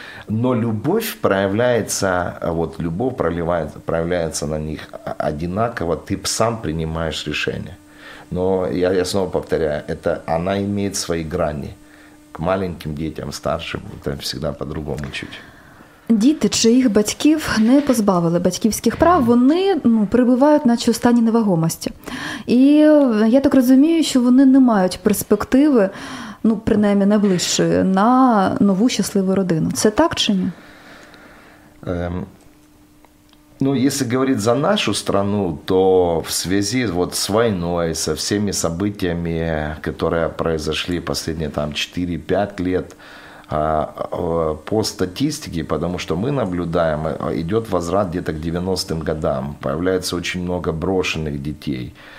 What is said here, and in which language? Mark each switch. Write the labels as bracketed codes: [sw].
[ru] Но любовь проявляется, вот любовь проявляется на них одинаково, ты сам принимаешь решение. Но я снова повторяю, это она имеет свои грани. К маленьким детям, старшим, это всегда по-другому чуть. [uk] Діти чи їх батьків не позбавили батьківських прав, вони перебувають наче у стані невагомості. І я так розумію, що вони не мають перспективи, принаймні найближчої, на нову щасливу родину. Це так чи ні? [ru] Ну, если говорить за нашу страну, то в связи вот с войной, со всеми событиями, которые произошли последние там 4-5 лет, по статистике, потому что мы наблюдаем, идет возврат где-то к 90-м годам, появляется очень много брошенных детей.